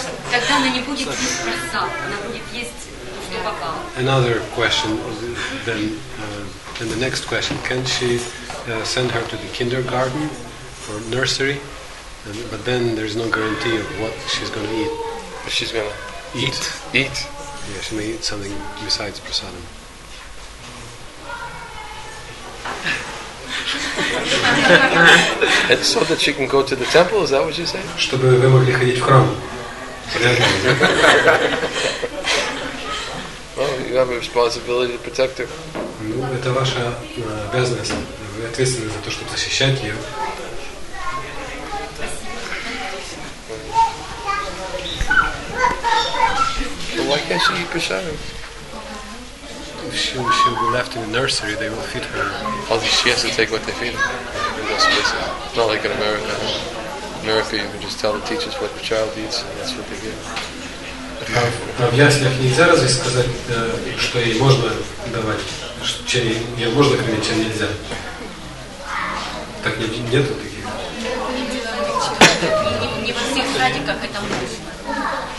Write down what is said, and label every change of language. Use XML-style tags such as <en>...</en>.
<ru>Тогда она не будет есть просад, она будет есть что попало.</ru> <en>Another question, then, and the next question. Can she send her to the kindergarten or nursery? But then there's no guarantee of what she's going to eat. She's going to eat. Eat. Yeah, she may eat something besides prasadam. And so that she can go to the temple, is that what you say?</en> <ru>Чтобы вы могли ходить в храм.</ru> <en>Well, you have a responsibility to protect her.</en> <ru>Ну, это ваша обязанность. Вы ответственны за то, чтобы защищать ее.</ru> <en>Why can't she eat prasadam? If she'll be left in the nursery, they will feed her. Oh, she has to take what they feed her. In those places. It's not like in America. In America, you can just tell the teachers what the child eats, and that's what they get.</en> <ru>В яслях нельзя разве сказать, что ей можно давать, что ей можно кормить, чем нельзя? Так нету таких. Не во всех садиках это можно.</ru>